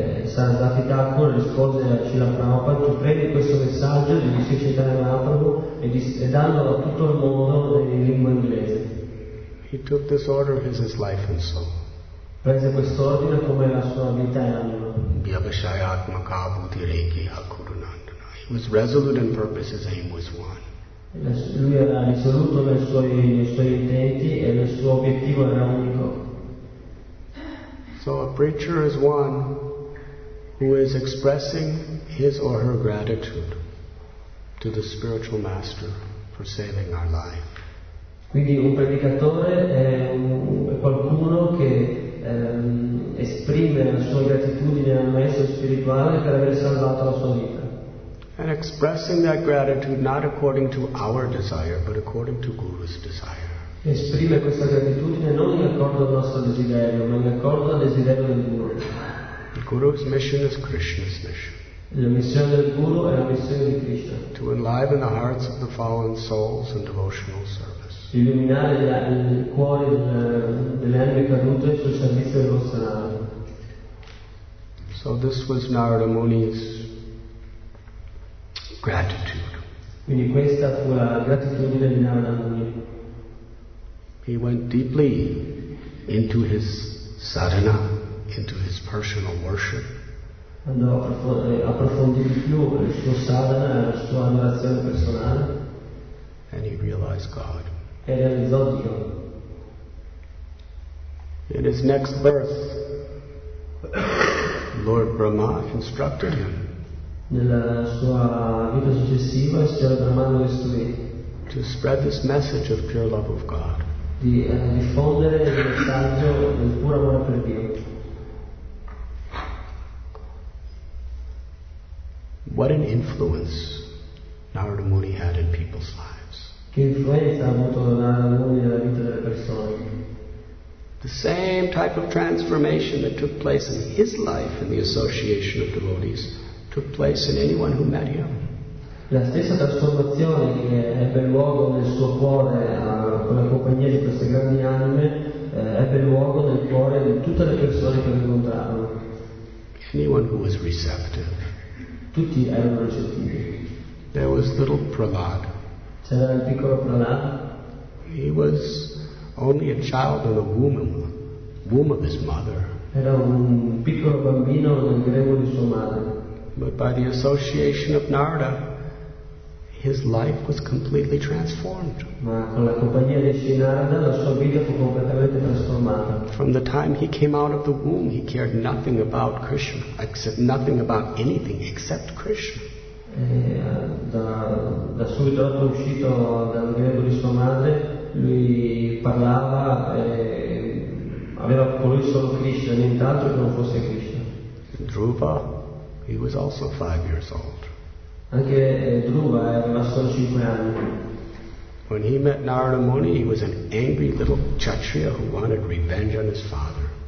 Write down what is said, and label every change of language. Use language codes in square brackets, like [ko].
[it] Saraswati Thakur rispose a Srila Prabhupada, "Tu prendi questo messaggio di Sri Chaitanya Mahaprabhu e dallo a tutto il mondo in lingua inglese." [en] He He took this order as his life and soul. [it] Prese questo ordine come la sua vita e anima. Vyavasaya atma kabuti reiki akuru nandana. [en] He was resolute in purpose, his aim was one. [it] Lui era risoluto nei suoi intenti e il suo obiettivo era unico. [en] So a preacher is one who is expressing his or her gratitude to the spiritual master for saving our life. [it] Quindi un predicatore è qualcuno che esprime la sua gratitudine al maestro spirituale per aver salvato la sua vita. [en] And expressing that gratitude not according to our desire, but according to Guru's desire. [it] Esprime questa gratitudine non in accordo al nostro desiderio, ma in accordo al desiderio del Guru. [en] The Guru's mission is Krishna's mission. [it] La missione del Guru è la missione di Krishna. [en] To enliven the hearts of the fallen souls in devotional service. [it] Illuminare il cuore delle anime cadute sul servizio devozionale. [en] So this was Narada Muni's gratitude. [it] Quindi questa fu la gratitudine di Narada Muni. [en] He went deeply into his sadhana, into his personal worship. [it] Andò approfondì di più il suo sadhana, la sua adorazione personale. [en] And he realized God. [it] E realizzò Dio. [en] In his next birth, Lord Brahma instructed him. [it] Nella sua vita successiva, il signor Brahma lo istruì. [en] To spread this message of pure love of God. [it] Di diffondere il messaggio del puro amore per Dio. [en] What an influence Narada Muni had in people's lives. [it] Che influenza ha avuto Narada Muni nella vita delle persone. [en] The same type of transformation that took place in his life in the association of devotees took place in anyone who met him. [it] La stessa trasformazione che ebbe luogo nel suo cuore con la compagnia di queste grandi anime ebbe luogo nel cuore di tutte le persone che lo incontrarono. [en] Anyone who was receptive. [it] Tutti erano receptivi. [en] There was little Prahlad. [it] C'era il piccolo Prahlad. [en] He was only a child in the womb of his mother. [it] Era un piccolo bambino nel grembo di sua madre. [en] But by the association of Narada, his life was completely transformed. [it] Ma con la compagnia di Sri Narada, la sua vita fu completamente trasformata. [en] From the time he came out of the womb, he cared nothing about Krishna, except nothing about anything except Krishna. [it] Da subito dopo uscito dal grembo di sua madre, lui parlava aveva con lui solo Krishna, nient'altro che non fosse Krishna. [en] Dhruva. He was also 5 years old. [it] Anche Dhruva aveva solo 5 anni. [en] When he met Narada Muni, he was an angry little Kshatriya who wanted revenge on his father.